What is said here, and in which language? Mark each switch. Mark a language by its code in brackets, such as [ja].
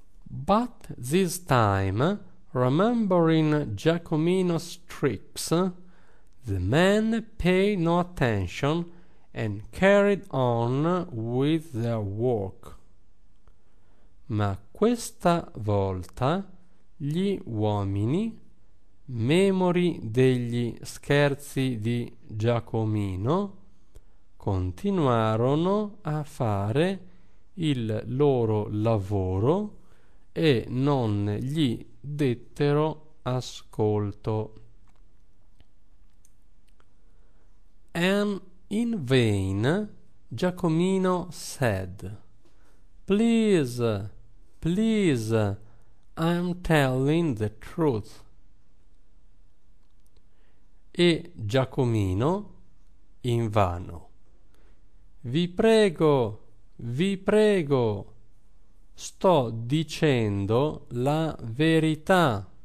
[en] But this time, remembering Giacomino's tricks, the men paid no attention and carried on with their work. [it] Ma questa volta gli uomini, memori degli scherzi di Giacomino, continuarono a fare il loro lavoro e non gli dettero ascolto. [en] And in vain Giacomino said, "Please, please, I'm telling the truth." [it] E Giacomino invano, vi prego, sto dicendo la verità."